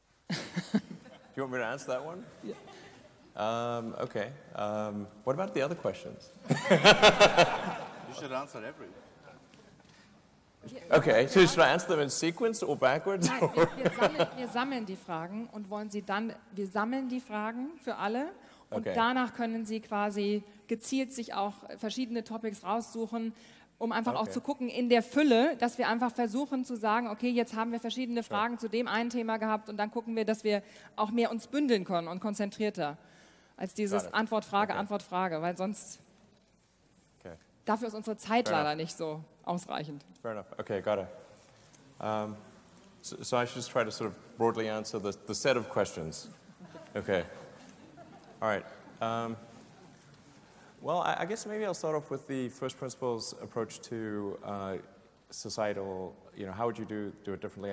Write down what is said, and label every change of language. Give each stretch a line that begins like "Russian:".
English: Do you want me to answer that one? Yeah. Okay. What about the other questions? You should answer every. Okay, so should I answer them in sequence or backwards?
German: Nein, wir sammeln die Fragen und wollen Sie dann, wir sammeln die Fragen für alle und okay. Danach können Sie quasi gezielt sich auch verschiedene Topics raussuchen, um einfach auch zu gucken in der Fülle, dass wir einfach versuchen zu sagen, okay, jetzt haben wir verschiedene Fragen zu dem einen Thema gehabt und dann gucken wir, dass wir auch mehr uns bündeln können und konzentrierter. Als dieses Antwort-Frage, Antwort-Frage, weil sonst dafür ist unsere Zeit leider nicht so ausreichend.
English: Fair enough. Okay, got it. So I should just try to sort of broadly answer the set of questions. Okay. All right. Well, I guess maybe I'll start off with the first principles approach to societal, you know, how would you do it differently?